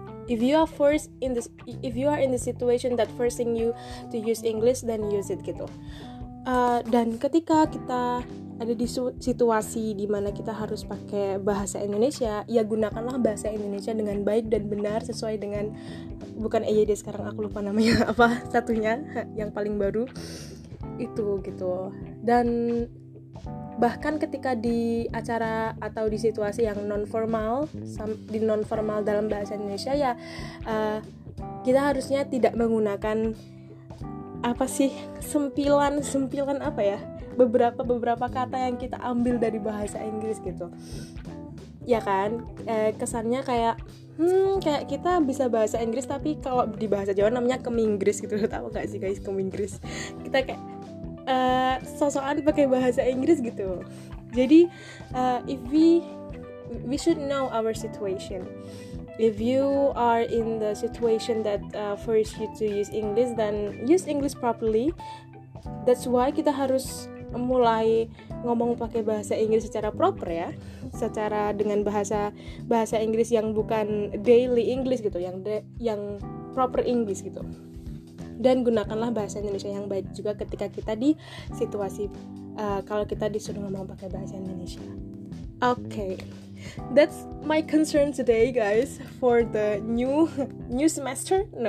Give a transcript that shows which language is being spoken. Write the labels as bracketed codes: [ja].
[en] If you are forced in this, if you are in the situation that forcing you to use English, then use it gitu. [id] Dan ketika kita ada di situasi di mana kita harus pakai bahasa Indonesia, ya gunakanlah bahasa Indonesia dengan baik dan benar sesuai dengan, bukan EYD sekarang, aku lupa namanya apa, satunya yang paling baru itu gitu. Dan bahkan ketika di acara atau di situasi yang non-formal, di non-formal dalam bahasa Indonesia, ya kita harusnya tidak menggunakan apa sih, sempilan-sempilan apa ya, beberapa kata yang kita ambil dari bahasa Inggris gitu. Ya kan? Kesannya kayak kayak kita bisa bahasa Inggris tapi kalau di bahasa Jawa namanya keminggris gitu. Tahu enggak sih guys keminggris? Kita kayak sosokan pakai bahasa Inggris gitu. [en] Jadi if we should know our situation. If you are in the situation that forces you to use English, then use English properly. That's why [id] kita harus mulai ngomong pakai bahasa Inggris secara proper ya, secara dengan bahasa Inggris yang bukan daily English gitu, yang proper English gitu. Dan gunakanlah bahasa Indonesia yang baik juga ketika kita di situasi kalau kita disuruh ngomong pakai bahasa Indonesia. [en] Okay, that's my concern today guys for the new semester.